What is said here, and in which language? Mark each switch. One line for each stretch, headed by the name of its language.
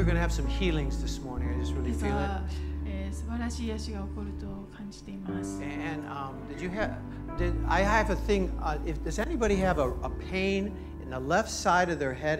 English: some healings this morning. I just really feel it.
Japanese: 素晴らしい癒しが起こると感じています。
English: And, did I have a thing,if, does anybody have a pain in the left side of their head?